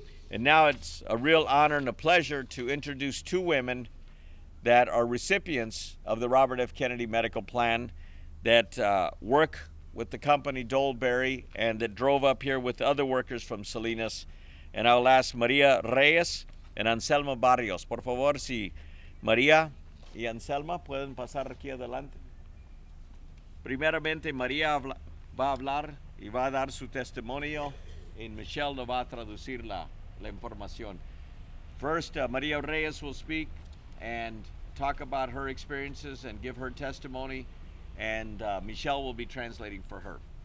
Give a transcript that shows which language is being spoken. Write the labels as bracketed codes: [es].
[en] And now it's a real honor and a pleasure to introduce two women that are recipients of the Robert F. Kennedy Medical Plan that work with the company Dole Berry and that drove up here with other workers from Salinas. And I'll ask Maria Reyes and Anselma Barrios. [es] Por favor, si Maria y Anselma pueden pasar aquí adelante. Primeramente, Maria va a hablar y va a dar su testimonio, and Michelle lo va a traducir la información. [en] First, Maria Reyes will speak and talk about her experiences and give her testimony, and Michelle will be translating for her.